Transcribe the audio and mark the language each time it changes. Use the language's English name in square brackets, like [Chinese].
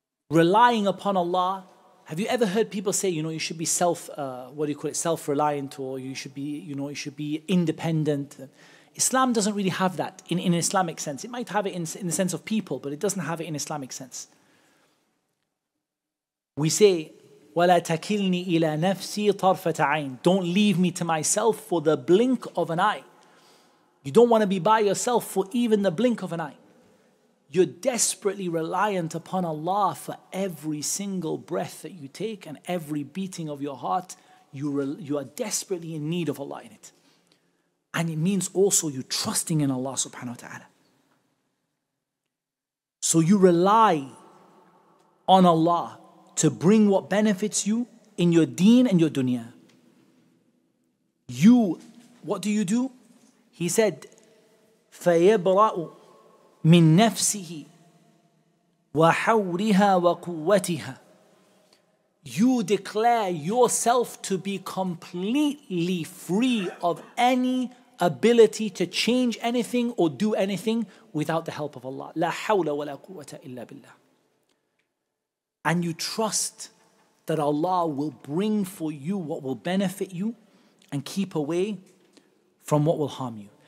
[English] Relying upon Allah, have you ever heard people say, you know, you should be self-reliant, or you should be, you know, you should be independent? Islam doesn't really have that in an Islamic sense. It might have it in the sense of people, but it doesn't have it in Islamic sense. We say, [Arabic] وَلَا تَكِلْنِي إِلَى نَفْسِي طَرْفَةَ عَيْنِ. [English] Don't leave me to myself for the blink of an eye. You don't want to be by yourself for even the blink of an eye. You're desperately reliant upon Allah for every single breath that you take and every beating of your heart. You are desperately in need of Allah in it. And it means also you trusting in Allah subhanahu wa ta'ala. So you rely on Allah to bring what benefits you in your deen and your dunya. You, what do you do? He said, [Arabic] فَيَبْرَأُ مِن نَفْسِهِ وَحَوْرِهَا وَقُوَّتِهَا. [English] You declare yourself to be completely free of any ability to change anything or do anything without the help of Allah. [Arabic] لَا حَوْلَ وَلَا قُوَّةَ إِلَّا بِاللَّهِ. [English] And you trust that Allah will bring for you what will benefit you and keep away from what will harm you.